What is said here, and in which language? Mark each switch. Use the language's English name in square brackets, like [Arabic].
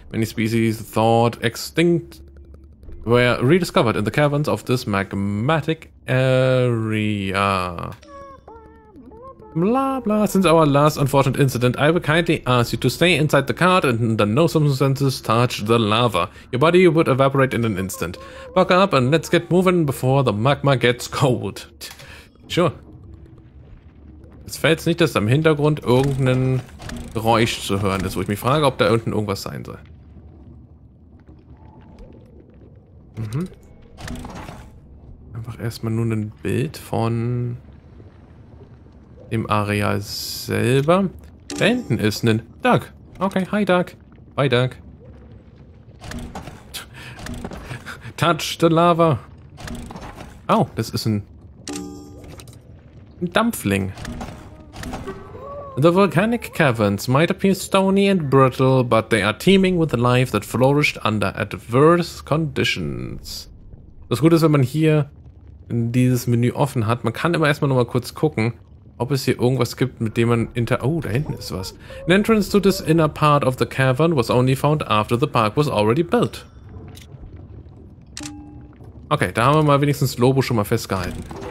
[English] Many species thought extinct were rediscovered in the caverns of this magmatic area. Blah blah. Since our last unfortunate incident, I will kindly ask you to stay inside the cart and under no circumstances touch the lava. Your body would evaporate in an instant. Buck up and let's get moving before the magma gets cold. Sure. [German] Jetzt fällt es nicht, dass da im Hintergrund irgendein Geräusch zu hören ist, wo ich mich frage, ob da unten irgendwas sein soll. Mhm. Einfach erstmal nur ein Bild von dem Areal selber. Da hinten ist ein Duck. Okay, hi Duck. Hi Duck. [English] Touch the lava. [German] Oh, das ist ein Dampfling. [English] The volcanic caverns might appear stony and brittle, but they are teeming with life that flourished under adverse conditions. [German] Das Gute ist, wenn man hier dieses Menü offen hat, man kann immer erstmal nochmal kurz gucken, ob es hier irgendwas gibt, mit dem man oh, da hinten ist was. [English] An entrance to this inner part of the cavern was only found after the park was already built. [German] Okay, da haben wir mal wenigstens Lobo schon mal festgehalten.